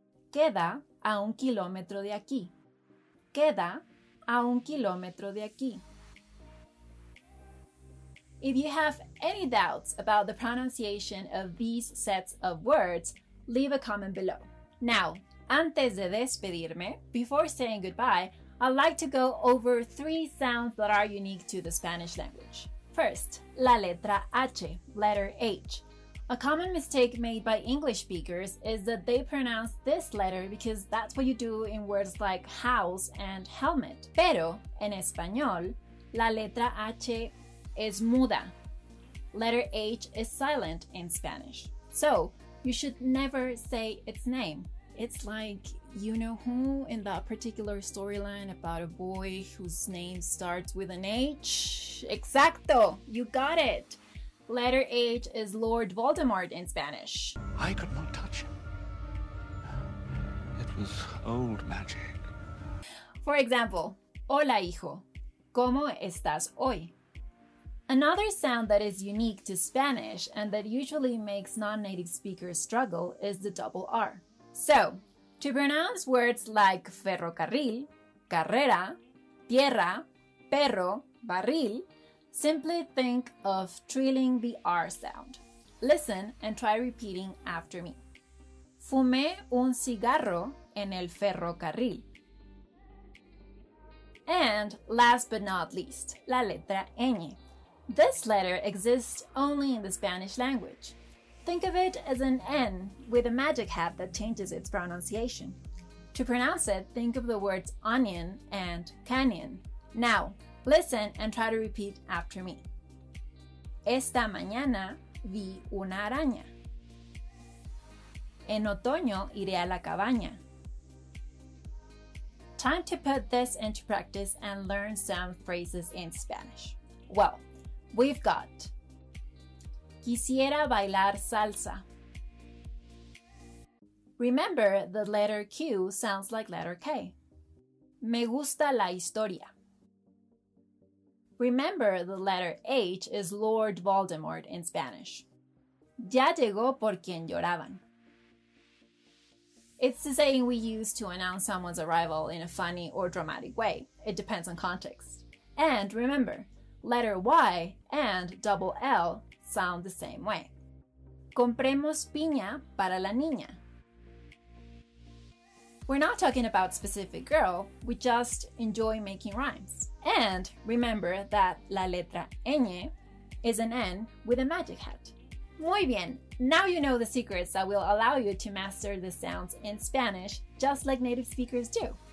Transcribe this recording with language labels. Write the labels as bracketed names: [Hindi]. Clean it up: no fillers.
[Spanish] Queda a un kilómetro de aquí. Queda a un kilómetro de aquí. [English] If you have any doubts about the pronunciation of these sets of words, leave a comment below. Now, [Spanish] antes de despedirme, [English] before saying goodbye, I'd like to go over three sounds that are unique to the Spanish language. First, [Spanish] la letra H, [English] letter H. A common mistake made by English speakers is that they pronounce this letter because that's what you do in words like house and helmet. [Spanish] Pero, en español, la letra H es muda. [English] Letter H is silent in Spanish. So, you should never say its name. It's like you-know-who in that particular storyline about a boy whose name starts with an H. Exacto! You got it! Letter H is Lord Voldemort in Spanish. I could not touch him. It was old magic. For example, [Spanish] Hola hijo, ¿cómo estás hoy? [English] Another sound that is unique to Spanish and that usually makes non-native speakers struggle is the double R. So, to pronounce words like ferrocarril, carrera, tierra, perro, barril, simply think of trilling the R sound. Listen and try repeating after me. [Spanish] Fumé un cigarro en el ferrocarril. [English] And last but not least, [Spanish] la letra Ñ. [English] This letter exists only in the Spanish language. Think of it as an N with a magic hat that changes its pronunciation. To pronounce it, think of the words onion and canyon. Now, listen and try to repeat after me. [Spanish] Esta mañana vi una araña. En otoño iré a la cabaña. [English] Time to put this into practice and learn some phrases in Spanish. Well, we've got [Spanish] Quisiera bailar salsa. [English] Remember, the letter Q sounds like letter K. [Spanish] Me gusta la historia. [English] Remember, the letter H is Lord Voldemort in Spanish. [Spanish] ya llegó por quien lloraban. [English] It's the saying we use to announce someone's arrival in a funny or dramatic way. It depends on context. And remember, letter Y and double L sound the same way. [Spanish] Compremos piña para la niña. [English] We're not talking about specific girl, we just enjoy making rhymes. And remember that [Spanish] la letra Ñ [English] is an N with a magic hat. [Spanish] Muy bien, [English] now you know the secrets that will allow you to master the sounds in Spanish, just like native speakers do.